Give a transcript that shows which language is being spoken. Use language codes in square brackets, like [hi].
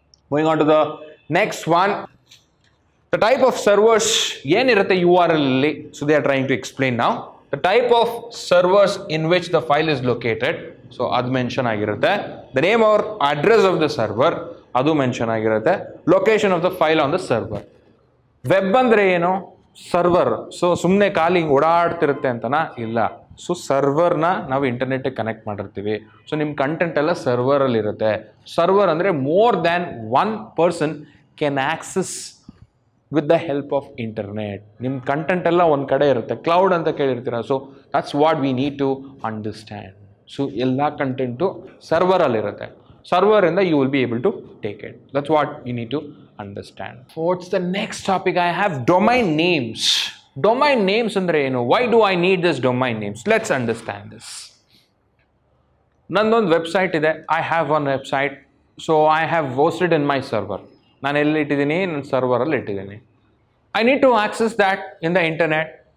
[en] Moving on to the next one. The type of servers [kn] yen irutte [en] URL. So they are trying to explain now. The type of servers in which the file is located. So [kn] ad mention agirutte. [en] The name or address of the server. [kn] Adu mention agirutte. [en] Location of the file on the server. [kn] Web andre eno? Server. So ಸುಮ್ಮನೆ ಖಾಲಿ ಹಿಂಗೆ ಓಡಾಡ್ತಿರುತ್ತೆ ಅಂತನ ಇಲ್ಲ. So ಸರ್ವರ್ನ ನಾವು ಇಂಟರ್ನೆಟ್ಗೆ connect ಮಾಡಿರ್ತೀವಿ. So ನಿಮ್ಮ content ಎಲ್ಲ ಸರ್ವರಲ್ಲಿ ಇರುತ್ತೆ. ಸರ್ವರ್ ಅಂದರೆ [en] More than one person can access with the help of internet. [kn] ನಿಮ್ಮ ಕಂಟೆಂಟ್ ಎಲ್ಲ ಒಂದು ಕಡೆ ಇರುತ್ತೆ, ಕ್ಲೌಡ್ ಅಂತ ಕೇಳಿರ್ತೀರ. [en] So that's what we need to understand. [kn] So ಎಲ್ಲ ಕಂಟೆಂಟು ಸರ್ವರಲ್ಲಿರುತ್ತೆ. ಸರ್ವರ್ ಇಂದ [en] You will be able to take it. That's what you need to understand. So what's the next topic? I have domain names. [kn] Domain names andre eno? [en] Why do I need this domain names? Let's understand this. [kn] Nandond website ide. [en] I have one website, so I have hosted in my server. [kn] Nan ellu ittidini, nan server alli ittidini. [en] I need to access that in the internet.